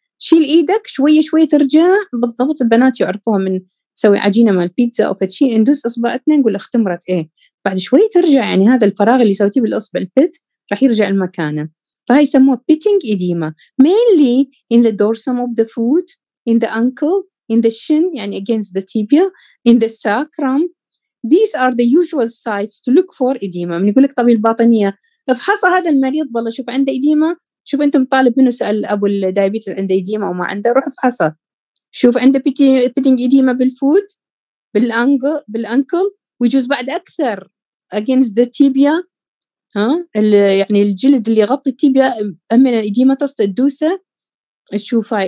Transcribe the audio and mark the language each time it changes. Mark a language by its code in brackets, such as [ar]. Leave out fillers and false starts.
[ar] شيل إيدك شوية شوية ترجع بالضبط, البنات يعرفوها من سوي عجينة مع البيتزا أو فتشي ندوس أصبعتنا نقول اختمرت إيه بعد شوية ترجع, يعني هذا الفراغ اللي سويتيه بالأصبع البيت راح يرجع لمكانه, فهي يسموها [en] pitting edema mainly in the dorsum of the foot, in the ankle, in the shin [ar] يعني [en] against the tibia, in the sacrum. These are the usual sites to look for edema. [ar] من يقولك طبيب الباطنية افحص هذا المريض بالله شوف عنده إديما, شوف انت مطالب منه سأل ابو الدايبيتس عنده إديما او ما عنده, روح افحصه شوف عنده بيتينج إديما بالفوت بالانكل ويجوز بعد اكثر against the tibia, ها يعني الجلد اللي يغطي التيبيا امن إديما تصد الدوسه تشوف هاي.